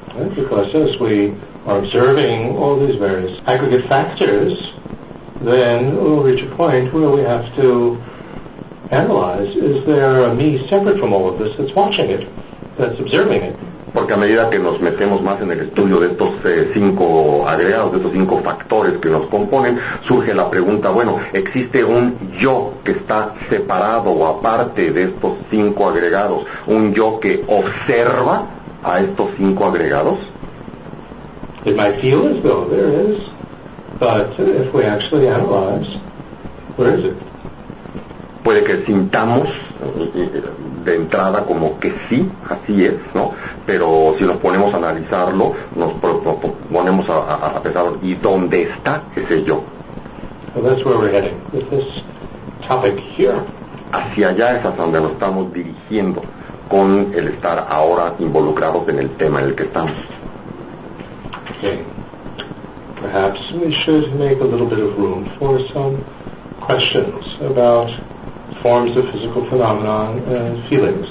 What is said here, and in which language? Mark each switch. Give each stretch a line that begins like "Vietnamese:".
English: Right? Because as we or observing all these various aggregate factors, then we'll reach a point where we have to analyze, is there a me separate from all of this that's watching it, that's observing it?
Spanish: Porque a medida que nos metemos más en el estudio de estos cinco agregados, de estos cinco factores que nos componen, surge la pregunta, bueno, ¿existe un yo que está separado o aparte de estos cinco agregados? ¿Un yo que observa a estos cinco agregados?
English: It might feel as though there is, but if we actually analyze, where is it?
Spanish: Puede que sintamos de entrada como que sí, así es, ¿no? Pero si nos ponemos a analizarlo, nos ponemos a pensar, ¿y dónde está ese yo?
English: Well, that's where we're heading, with this topic here.
Spanish: Hacia allá es hacia donde nos estamos dirigiendo con el estar ahora involucrados en el tema en el que estamos.
English: Okay. Perhaps we should make a little bit of room for some questions about forms of physical phenomenon and feelings.